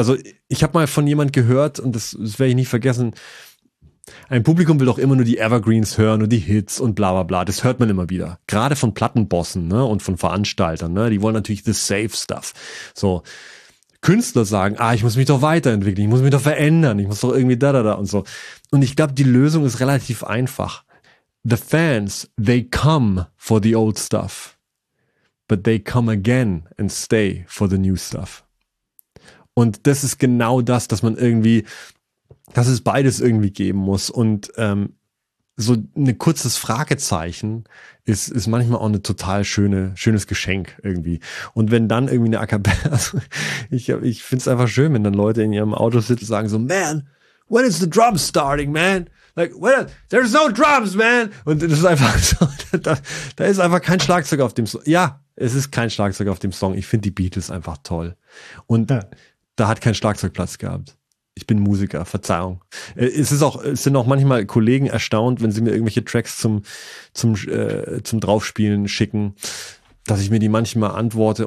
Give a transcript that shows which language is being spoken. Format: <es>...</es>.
<de>Also ich habe mal von jemand gehört, und das werde ich nie vergessen, ein Publikum will doch immer nur die Evergreens hören und die Hits und bla bla bla. Das hört man immer wieder. Gerade von Plattenbossen, ne, und von Veranstaltern, ne? Die wollen natürlich</de> <en>the safe stuff.</en> <de>So, Künstler sagen, ich muss mich doch weiterentwickeln, ich muss mich doch verändern, ich muss doch irgendwie da da da und so. Und ich glaube, die Lösung ist relativ einfach.</de> <en>The fans, they come for the old stuff. But they come again and stay for the new stuff.</en> <de>Und das ist genau das, dass man irgendwie, dass es beides irgendwie geben muss. Und so ein kurzes Fragezeichen ist manchmal auch eine total schönes Geschenk irgendwie. Und wenn dann irgendwie eine Acapella, also ich finde es einfach schön, wenn dann Leute in ihrem Auto sitzen und sagen so,</de> <en>man, when is the drum starting, man? Like, when there's no drums, man!</en> <de>Und das ist einfach so, da ist einfach kein Schlagzeug auf dem Song. Ja, es ist kein Schlagzeug auf dem Song. Ich finde die Beatles einfach toll. Und da hat kein Schlagzeug Platz gehabt. Ich bin Musiker, Verzeihung. Es sind auch manchmal Kollegen erstaunt, wenn sie mir irgendwelche Tracks zum Draufspielen schicken, dass ich mir die manchmal antworte.</de>